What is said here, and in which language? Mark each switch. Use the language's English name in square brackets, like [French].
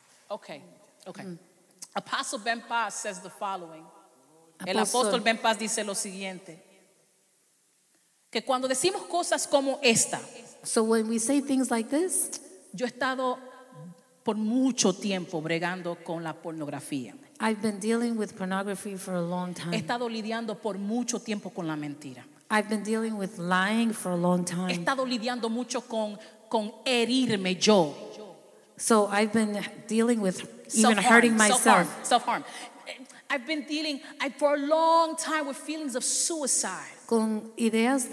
[English] Okay. Okay. Mm. Apostle Ben Paz says the following. [Spanish] El apóstol Ben Paz dice lo siguiente, que cuando decimos cosas como esta, [English] so when we say things like this, [Spanish] yo he estado por mucho tiempo bregando con la pornografía. [English] I've been dealing with pornography for a long time. [Spanish] He estado lidiando por mucho tiempo con la mentira. [English] I've been dealing with lying for a long time. [Spanish] He estado lidiando mucho con herirme yo. [English] So I've been dealing with even self-harm, hurting myself. Self-harm. I've been dealing for a long time with feelings of suicide. [Spanish] Con ideas